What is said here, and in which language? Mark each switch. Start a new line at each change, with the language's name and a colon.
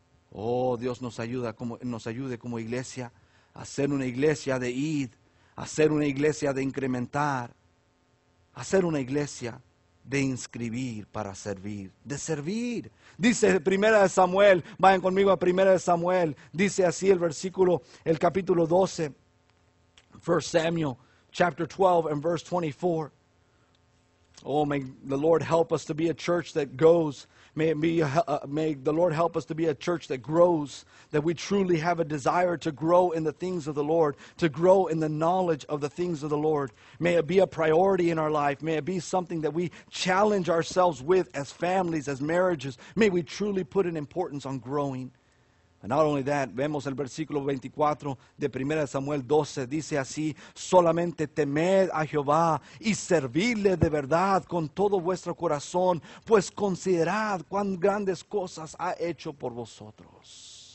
Spanish: Oh, Dios nos ayuda, como nos ayude como iglesia a ser una iglesia de id, a ser una iglesia de incrementar, a ser una iglesia de inscribir para servir, de servir. Dice Primera de Samuel, vayan conmigo a Primera de Samuel, dice así el versículo, el capítulo 12, 1 Samuel,
English: chapter 12 and verse 24. Oh, may the Lord help us to be a church that goes. May the Lord help us to be a church that grows, that we truly have a desire to grow in the things of the Lord, to grow in the knowledge of the things of the Lord. May it be a priority in our life. May it be something that we challenge ourselves with as families, as marriages. May we truly put an importance on growing.
Spanish: And not only that, vemos el versículo 24 de 1 Samuel 12, dice así: solamente temed a Jehová y servidle de verdad con todo vuestro corazón, pues considerad cuán grandes cosas ha hecho por vosotros.